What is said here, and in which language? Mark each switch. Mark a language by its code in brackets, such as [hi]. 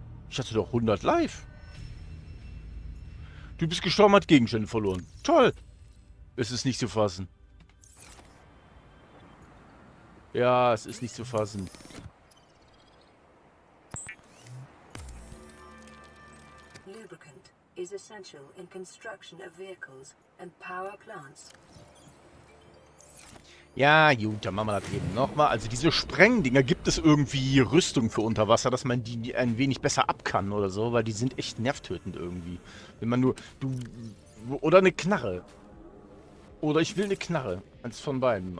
[de] Ich hatte doch 100 live. Du bist gestorben, hat Gegenstände verloren. Toll. Es ist nicht zu fassen. Ja, es ist nicht zu fassen. [en] Lubricant is essential in construction of vehicles and power plants. [de] Ja, gut, dann machen wir das eben nochmal. Also diese Sprengdinger, gibt es irgendwie Rüstung für Unterwasser, dass man die ein wenig besser abkann oder so, weil die sind echt nervtötend irgendwie. Wenn man nur... Du, oder eine Knarre. Oder ich will eine Knarre. Eins von beiden.